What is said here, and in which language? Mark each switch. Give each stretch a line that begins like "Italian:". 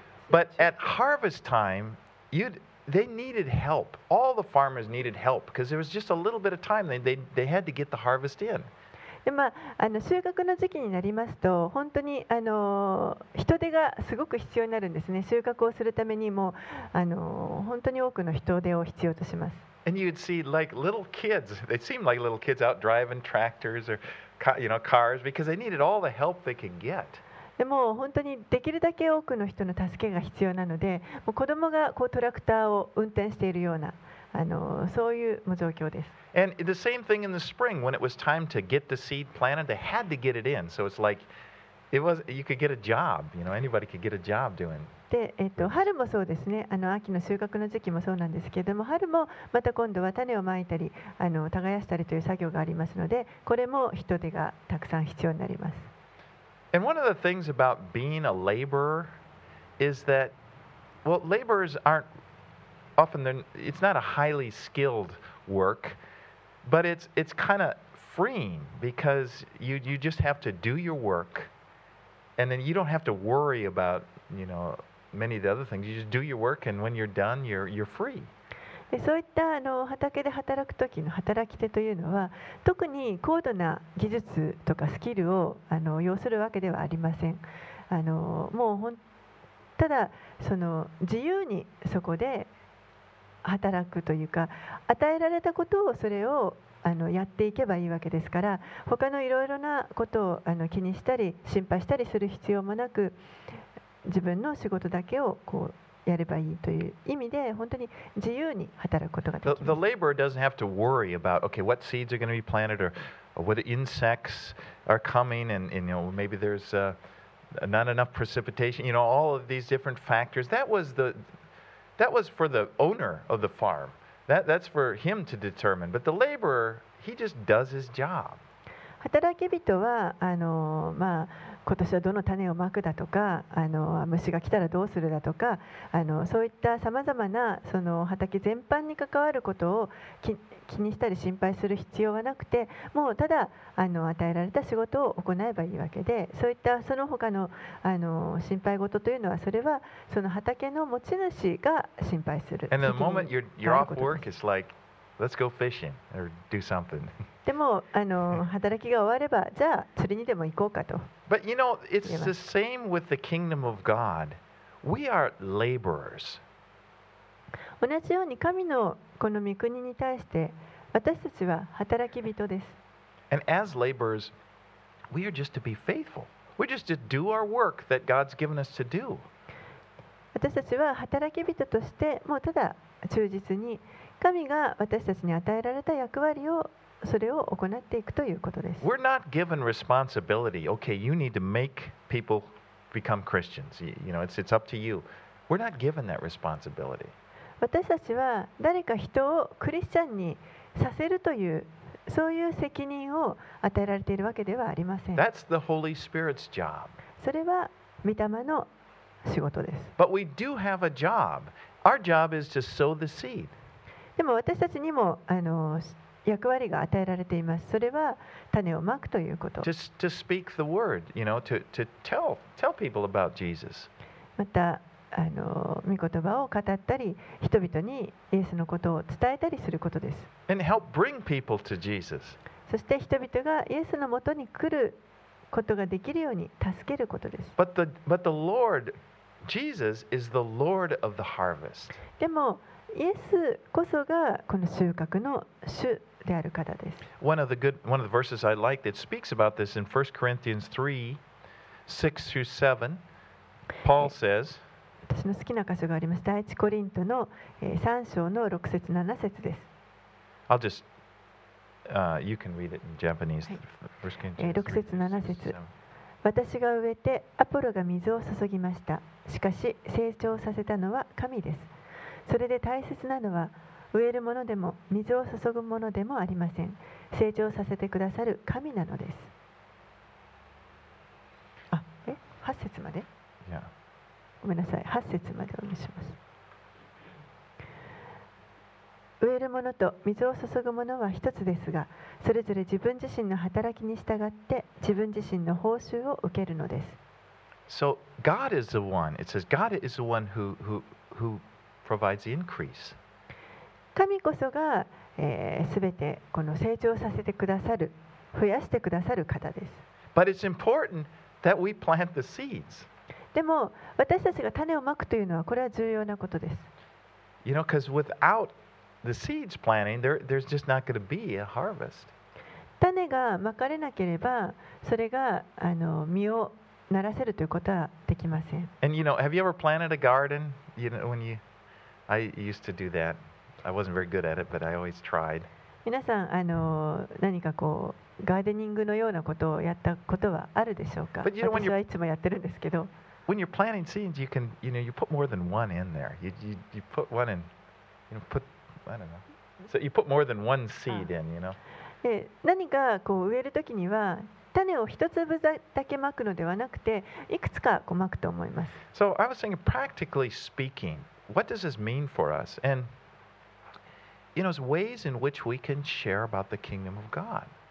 English: But at harvest time, they needed help. All the farmers needed help because there was just a little bit of time. They had to get the harvest in.
Japanese: でまあ、収穫の時期になりますと本当に人手がすごく必要になるんですね。収穫をするためにも本当に多くの人手を必要とします。
English: And you'd see like little kids, they seemed like little kids out driving tractors or you know, cars because they needed all the help they could get.
Japanese: でも本当にできるだけ多くの人の助けが必要なのでもう子供がこうトラクターを運転しているようなそういう状況です。
English: And the same thing in the spring when it was time to get the seed planted, they had to get it in. So it's like it was, you could get a job, you know, anybody could get a job doing.
Japanese: で、春もそうですね。秋の収穫の時期もそうなんですけれども、春もまた今度は種をまいたり、耕したりという作業がありますので、これも人手がたくさん必要になります。
English: And one of the things about being a laborer is that, well, laborers aren't often, it's not a highly skilled work. But it's kind of freeing because you just have to do your work and then you don't have to worry about, you know, many of the other things. You just do your work and when you're done, you're free.
Japanese: そういった畑で働く時の働き手というのは特に高度な技術とかスキルを要するわけではありません。もうただその自由にそこで働くというか与えられたことをそれをやっていけばいいわけですから他のいろいろなことを気にしたり心配したりする必要もなく自分の仕事だけをこうやればいいという意味で本当に自由に働くことができます。
English: The laborer doesn't have to worry about okay, what seeds are going to be planted or what insects are coming and you know, maybe there's not enough precipitation, you know, all of these different factors. That was for the owner of the farm. That's for him to determine. But the laborer, he just does his job.
Japanese: 働き人は今年はどの種をまくだとか虫が来たらどうするだとかそういったさまざまなその畑全般に関わることを気にしたり心配する必要はなくてもうただ与えられた仕事を行えばいいわけでそういったその他 の, 心配事というのはそれはその畑の持ち主が心配する責任があることです。
English: like, Let's go fishing or do something.
Japanese: でも働きが終わればじゃあ釣りにでも行こうかと。
English: But you know, it's the same with the kingdom of God. We are laborers.
Japanese: 同じように神のこの御国に対して私たちは働き人です。
English: And as laborers, we are just to be faithful. We're just to do our work that God's given us to do.
Japanese: 私たちは働き人としてもうただ忠実に神が私たちに与えられた役割をそれを行っていくということです。
English: We're not given responsibility. Okay, you need to make people become Christians. You know, it's up to you. We're not given that responsibility.
Japanese: 私たちは誰か人をクリスチャンにさせるというそういう責任を与えられているわけではありません。
English: That's the Holy Spirit's job.
Japanese: それは御霊の仕事です。
English: But we do have a job. Our job is to sow the seed.
Japanese: でも私たちにも役割が与えられています。それは種をまくということ。
English: To speak the word, you know, to tell people about Jesus.
Japanese: また御言葉を語ったり、人々にイエスのことを伝えたりすることです。
English: And help bring people to Jesus.
Japanese: そして人々がイエスのもとに来ることができるように助けることです。
English: But the Lord Jesus is the Lord of the harvest.
Japanese: でもイエスこそがこの収穫の主である方です。
English: One of the verses I like that speaks about this in 1 Corinthians 3:6-7, Paul says.
Japanese: 私の好きな箇所があります。第一コリントの三章の六節七節です。
English: I'll just, you can read it in Japanese.
Japanese: 六節七節。私が植えてアポロが水を注ぎました。しかし成長させたのは神です。それで大切なのは植えるものでも水を注ぐものでもありません。成長させてくださる神なのです。あ、八節まで。
English: Yeah.
Japanese: ごめんなさい、八節までお見せします。植えるものと水を注ぐものは一つですが、それぞれ自分自身の働きに従って自分自身の報酬を受けるのです。
English: So God is the one. It says God is the one who provides the increase.
Japanese: 神こそがすべてこの成長させてくださる、増やしてくださる方です。
English: But it's important that we plant the seeds.
Japanese: でも私たちが種をまくというのはこれは重要なことです。
English: You know, because without the seeds planting, there's just not going to be a harvest.
Japanese: 種がまかれなければ、それが実をならせるということはできません。
English: And you know, have you ever planted a garden? You know, when you, I used to do that. I wasn't very good at it, but I always tried.
Japanese: 皆さん何かこうガーデニングのようなことをやったことはあるでしょうか？
English: But you know, when you're,
Japanese: 私はいつもやってるんですけど。
English: When you're planting seeds, you can, you know, you put more than one in there. You put one in, you know, put So you put more than one seed in, you know.
Japanese: 何かこう植えるときには種を一粒だけまくのではなくて、いくつかこうまくと思います。
English: So I was saying, practically speaking, what does this mean for us? And you know, there's ways in which we can share about the kingdom of God.